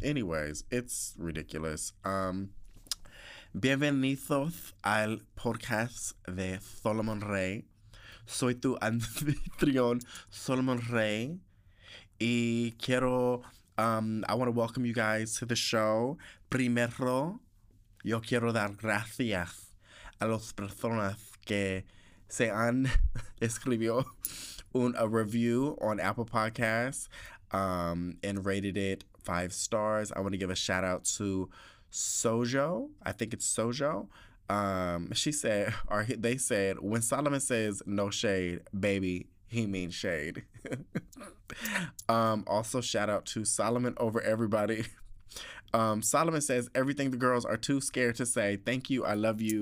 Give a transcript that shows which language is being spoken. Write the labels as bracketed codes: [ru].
[en] Anyways, it's ridiculous. [es] Bienvenidos al podcast de Solomon Rey. Soy tu anfitrión, Solomon Rey. Y quiero, [en] I want to welcome you guys to the show. [es] Primero, yo quiero dar gracias a las personas que se han escribió a [en] review on Apple Podcasts and rated it 5 stars. I want to give a shout out to Sojo. I think it's Sojo. They said, when Solomon says no shade, baby, he means shade. also, shout out to Solomon over everybody. Solomon says, everything the girls are too scared to say. Thank you. I love you.